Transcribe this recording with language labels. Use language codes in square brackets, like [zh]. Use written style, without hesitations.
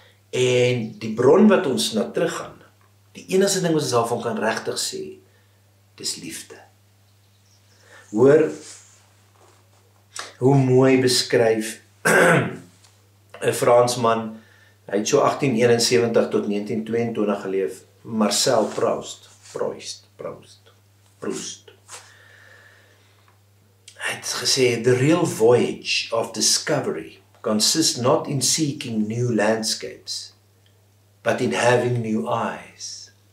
[af] En die bron wat ons na terug gaan, die enigste ding wat ons daarvan kan regtig sê, dis liefde. Hoor, hoe mooi beskryf een Fransman, hy het so 1871 tot 1922 geleef, Marcel Proust. Hy het gesê, [en] the real voyage of discovery consists not in seeking new landscapes, but in having new eyes.